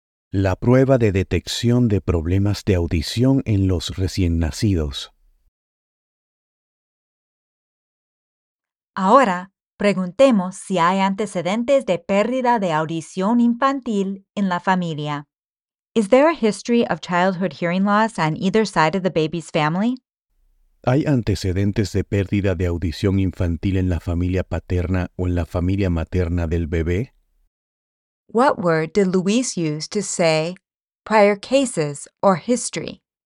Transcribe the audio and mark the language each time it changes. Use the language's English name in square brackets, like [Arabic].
[Spanish] La prueba de detección de problemas de audición en los recién nacidos. Ahora, preguntemos si hay antecedentes de pérdida de audición infantil en la familia. [English] Is there a history of childhood hearing loss on either side of the baby's family? [Spanish] ¿Hay antecedentes de pérdida de audición infantil en la familia paterna o en la familia materna del bebé? [English] What word did Luis use to say prior cases or history?